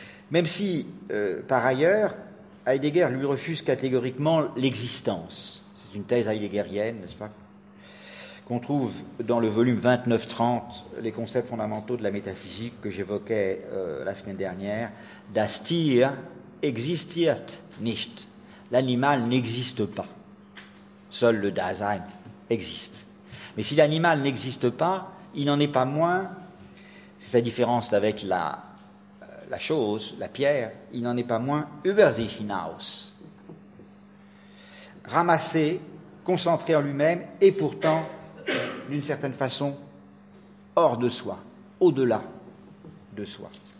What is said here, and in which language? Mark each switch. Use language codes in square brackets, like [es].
[fr] Même si, par ailleurs, Heidegger lui refuse catégoriquement l'existence. C'est une thèse heideggerienne, n'est-ce pas, qu'on trouve dans le volume 29-30, les concepts fondamentaux de la métaphysique que j'évoquais la semaine dernière. [de] Das Tier existiert nicht. [fr] L'animal n'existe pas. Seul le Dasein existe. Mais si l'animal n'existe pas, il n'en est pas moins, c'est sa différence avec la chose, la pierre, il n'en est pas moins [de] über sich hinaus. [fr] Ramassé, concentré en lui-même, et pourtant, d'une certaine façon, hors de soi, au-delà de soi.